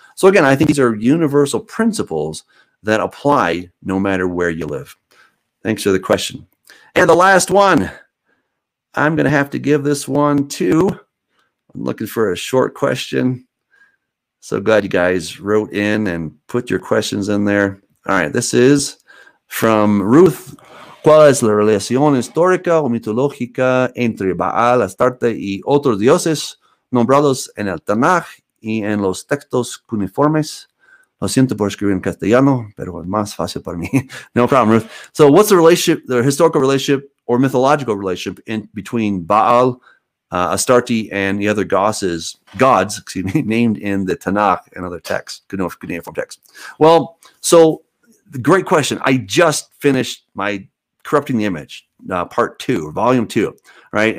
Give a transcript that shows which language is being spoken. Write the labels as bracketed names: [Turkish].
[English] So again, I think these are universal principles that apply no matter where you live. Thanks for the question. And the last one, I'm going to have to give this one to, I'm looking for a short question. So glad you guys wrote in and put your questions in there. All right, this is from Ruth. [Spanish] ¿Cuál es la relación histórica o mitológica entre Baal, Astarte y otros dioses nombrados en el Tanaj y en los textos cuneiformes? Lo siento por escribir en castellano, pero es más fácil para mí. [English] No problem, Ruth. So what's the relationship, the historical relationship or mythological relationship in between Baal, Astarte and the other gods, named in the Tanakh and other texts. Well, so the great question. I just finished my Corrupting the Image, part 2, volume 2, right?